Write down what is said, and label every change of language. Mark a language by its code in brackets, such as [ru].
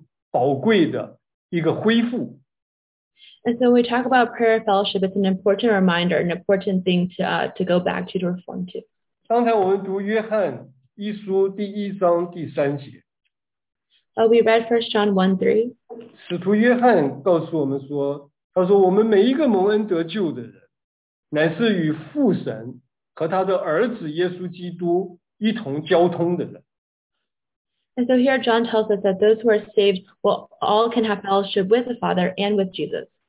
[zh] 所以我们今天谈到交通的祷告，对我们来讲是一个重要的提醒，也是一个非常宝贵的一个恢复。 [en] And so when we talk about prayer and fellowship, it's an important reminder, an important thing to go back to reform to. [zh] 刚才我们读约翰一书第一章第三节。 [en] We read 1 John 1:3. [zh] 使徒约翰告诉我们说，他说我们每一个蒙恩得救的人，乃是与父神和他的儿子耶稣基督一同交通的人。 [en] And so here John tells us that those who are saved will all can have fellowship with the Father and with Jesus.